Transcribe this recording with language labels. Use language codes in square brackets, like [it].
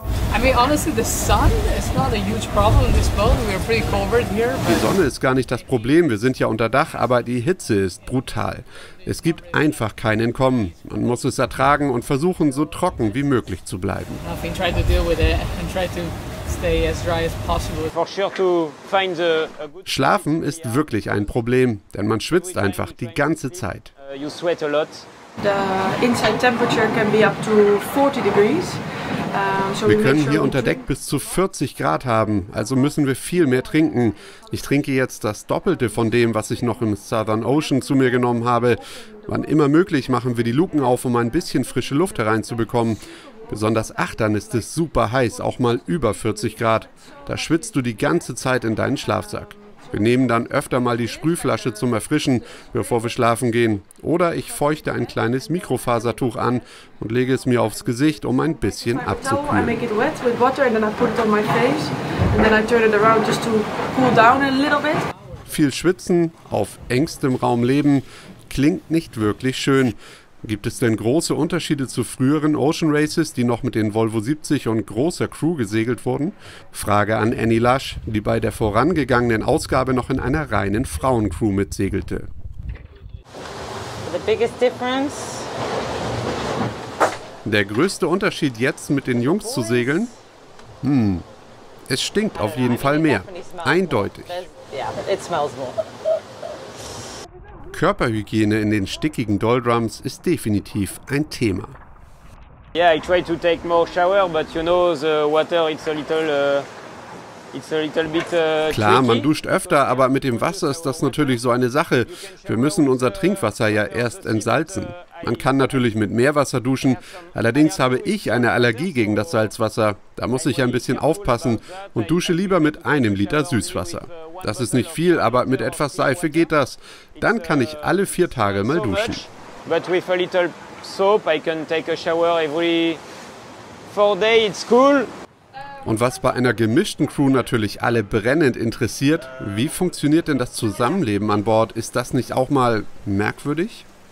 [en] I mean, honestly, the sun is not a huge problem in this boat. We are pretty covered here. [de] Die Sonne ist gar nicht das Problem. Wir sind ja unter Dach, aber die Hitze ist brutal. Es gibt einfach kein Entkommen. Man muss es ertragen und versuchen, so trocken wie möglich zu bleiben. [en] I try to deal with it and try to stay as dry as possible. For sure to find a good. [de] Schlafen ist wirklich ein Problem, denn man schwitzt einfach die ganze Zeit. [en] You sweat a lot. The inside temperature can be up to 40 degrees. [de] Wir können hier unter Deck bis zu 40 Grad haben, also müssen wir viel mehr trinken. Ich trinke jetzt das Doppelte von dem, was ich noch im Southern Ocean zu mir genommen habe. Wann immer möglich, machen wir die Luken auf, um ein bisschen frische Luft hereinzubekommen. Besonders Achtern ist es super heiß, auch mal über 40 Grad. Da schwitzt du die ganze Zeit in deinen Schlafsack. Wir nehmen dann öfter mal die Sprühflasche zum Erfrischen, bevor wir schlafen gehen. Oder ich feuchte ein kleines Mikrofasertuch an und lege es mir aufs Gesicht, um ein bisschen abzukühlen. [en] I make it wet with water and then I put it on my face and then I turn it around just to cool down a little bit. [de] Viel schwitzen, auf engstem Raum leben, klingt nicht wirklich schön. Gibt es denn große Unterschiede zu früheren Ocean Races, die noch mit den Volvo 70 und großer Crew gesegelt wurden? Frage an Annie Lush, die bei der vorangegangenen Ausgabe noch in einer reinen Frauencrew mitsegelte. [en] The biggest difference. [de] Der größte Unterschied jetzt mit den Jungs zu segeln? Es stinkt auf jeden Fall mehr. Eindeutig. Körperhygiene in den stickigen Doldrums ist definitiv ein Thema. [en] Yeah, I try to take more shower, but you know the water, it's a little bit [de] Klar, tricky. Man duscht öfter, aber mit dem Wasser ist das natürlich so eine Sache. Wir müssen unser Trinkwasser ja erst entsalzen. Man kann natürlich mit Meerwasser duschen, allerdings habe ich eine Allergie gegen das Salzwasser. Da muss ich ein bisschen aufpassen und dusche lieber mit einem Liter Süßwasser. Das ist nicht viel, aber mit etwas Seife geht das. Dann kann ich alle 4 Tage mal duschen. [en] But with a little soap, I can take a shower every 4 days, it's cool. [de] Und was bei einer gemischten Crew natürlich alle brennend interessiert, wie funktioniert denn das Zusammenleben an Bord? Ist das nicht auch mal merkwürdig?